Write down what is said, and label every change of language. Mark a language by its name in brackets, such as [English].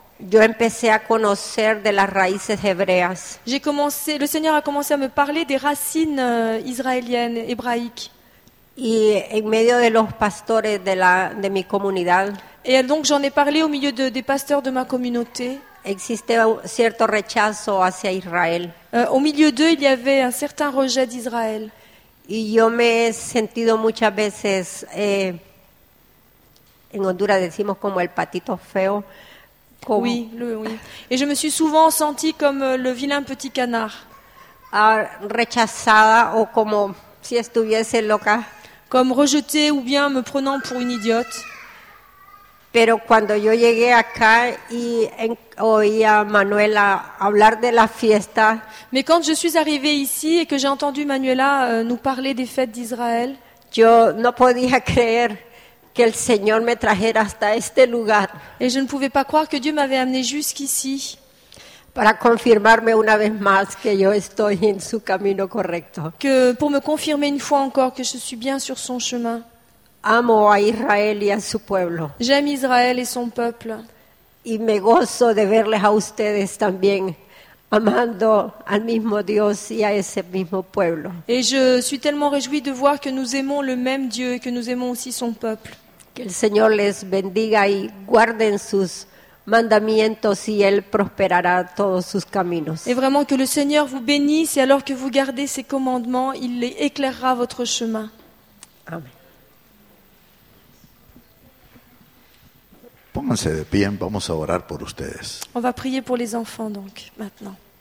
[Spanish] Yo empecé a conocer de las raíces hebreas. [French] J'ai commencé, le Seigneur a commencé à me parler des racines israéliennes, hébraïques. [Spanish] Y en medio de los pastores de mi comunidad. [French] Et donc j'en ai parlé au milieu des pasteurs de ma communauté. [Spanish] Existe un cierto rechazo hacia Israel. Au milieu d'eux, il y avait un certain rejet d'Israël. Y yo me he sentido muchas veces en Honduras decimos como el patito feo. [French] Como... Oui, oui. Et je me suis souvent sentie comme le vilain petit canard. [Spanish] Rechazada o como si estuviese loca. [French] Comme rejetée ou bien me prenant pour une idiote. [Spanish] Pero cuando yo llegué acá y oí a Manuela hablar de la fiesta. [French] Mais quand je suis arrivée ici et que j'ai entendu Manuela nous parler des fêtes d'Israël, [Spanish] yo no podía creer que el Señor me trajera hasta este lugar. [French] Et je ne pouvais pas croire que Dieu m'avait amené jusqu'ici. [Spanish] Para confirmarme una vez más que yo estoy en su camino correcto. [French] Que pour me confirmer une fois encore que je suis bien sur son chemin. [Spanish] Amo a Israel y a su pueblo. [French] J'aime Israël et son peuple. [Spanish] Y me gozo de verles a ustedes también amando al mismo Dios y a ese mismo pueblo. [French] Et je suis tellement réjouie de voir que nous aimons le même Dieu et que nous aimons aussi son peuple. [Spanish] Que el Señor les bendiga y guarden sus mandamientos y él prosperará todos sus caminos. [French] Et vraiment que le Seigneur vous bénisse et alors que vous gardez ses commandements, il éclairera votre chemin. Amen. [Spanish] Pónganse de pie, vamos a orar por ustedes. [French] On va prier pour les enfants donc maintenant.